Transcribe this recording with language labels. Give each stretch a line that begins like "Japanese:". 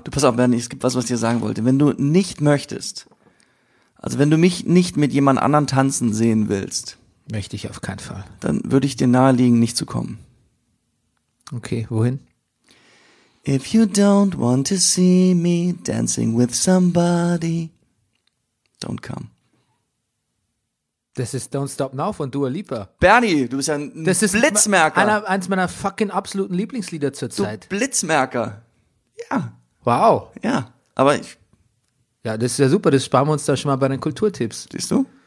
German: Du, pass auf, Bernie, es gibt was ich dir sagen wollte. Wenn du nicht möchtest, also wenn du mich nicht mit jemand anderen tanzen sehen willst. Möchte ich auf keinen Fall. Dann würde ich dir nahelegen, nicht zu kommen. Okay, wohin?
English: If you don't want to see me dancing with somebody, don't come.
German: Das ist Don't Stop Now von Dua Lipa. Bernie, du bist ja ein das ist Blitzmerker. Eins meiner fucking absoluten Lieblingslieder zur Zeit. Du Blitzmerker. Ja. Wow. Ja, aber ich... Ja, das ist ja super, das sparen wir uns da schon mal bei den Kulturtipps. Siehst du?